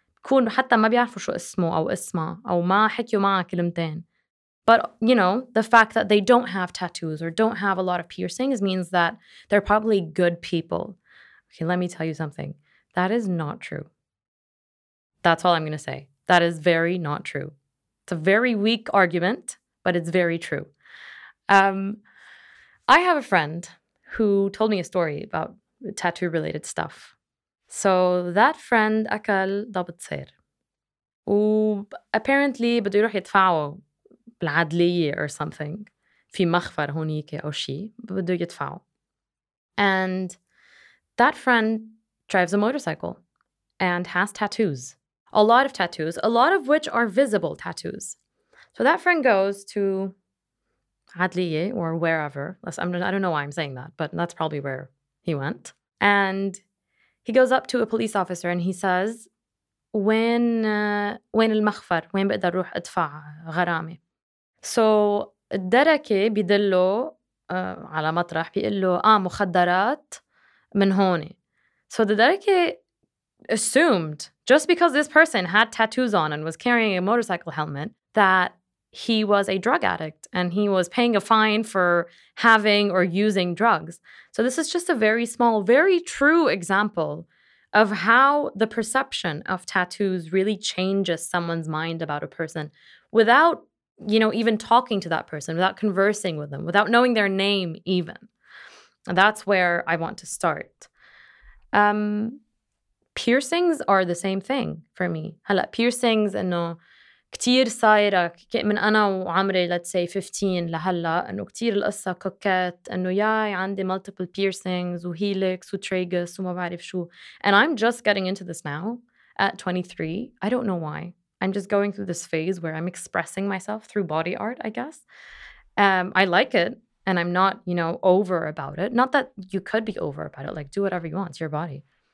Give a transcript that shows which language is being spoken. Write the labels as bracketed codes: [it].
[ar] كون حتى ما بيعرفوا شو اسمه أو اسمه أو ما حكيوا معه كلمتين. [en] But, you know, the fact that they don't have tattoos or don't have a lot of piercings means that they're probably good people. Okay, let me tell you something. That is not true. That's all I'm going to say. That is very not true. It's a very weak argument, but it's very true. I have a friend who told me a story about tattoo-related stuff. So that friend, [ar] أكل ضبط سير. [en] Apparently, [ar] بده يروح يدفعه. العدلية [en] or something, [ar] في مخفر هونيك أو شيء بدو يدفعوا. [en] And that friend drives a motorcycle and has tattoos, a lot of tattoos, a lot of which are visible tattoos. So that friend goes to عدلية or wherever. I don't know why I'm saying that, but that's probably where he went. And he goes up to a police officer and he says, [ar] وين المخفر؟ وين بقدر روح أدفع غرامي؟ [en] So [ar] الدركي بيدلو على مطرح بيقلو مخدرات من هوني. [en] So the دركي assumed, just because this person had tattoos on and was carrying a motorcycle helmet, that he was a drug addict and he was paying a fine for having or using drugs. So this is just a very small, very true example of how the perception of tattoos really changes someone's mind about a person without, you know, even talking to that person, without conversing with them, without knowing their name even. And that's where I want to start. Piercings are the same thing for me. [ar] هلا piercings إنه كتير صايرة من أنا وعمري, [en] let's say 15 [ar] لهلا, إنه كتير القصة كوكيت, إنه ياي عندي [en] multiple piercings [ar] وهيليكس وتريغس وما بعرف شو. [en] And I'm just getting into this now at 23. I don't know why. I'm just going through this phase where I'm expressing myself through body art, I guess. I like it, and I'm not, you know, over about it. Not that you could be over about it. Like, do whatever you want. It's your body.